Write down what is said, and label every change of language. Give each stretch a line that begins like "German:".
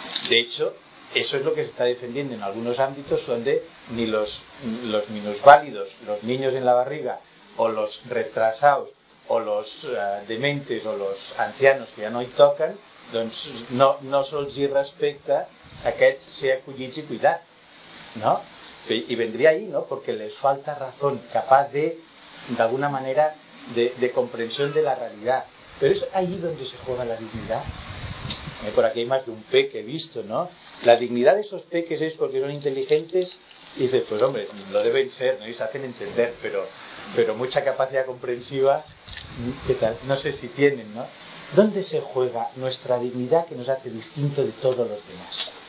Spanish: De hecho, eso es lo que se está defendiendo en algunos ámbitos donde ni los minusválidos, los niños en la barriga, o los retrasados, o los dementes, o los ancianos que ya no
Catalan: hi toquen, doncs no se'ls hi respecta aquest ser acollits i cuidat,
Spanish: no?
Catalan: I vendria ahí, no? Perquè les falta razón, capaç de, d'alguna manera, de comprensió de la realitat.
Spanish: Pero es ahí donde se juega la dignidad. Por aquí hay más de un peque visto, ¿no? La dignidad de esos peques es porque son inteligentes. Y dices, pues hombre, lo deben ser, ¿no? Y se hacen entender, pero mucha capacidad comprensiva, ¿qué tal? No sé si tienen, ¿no? ¿Dónde se juega nuestra dignidad que nos hace distinto de todos los demás?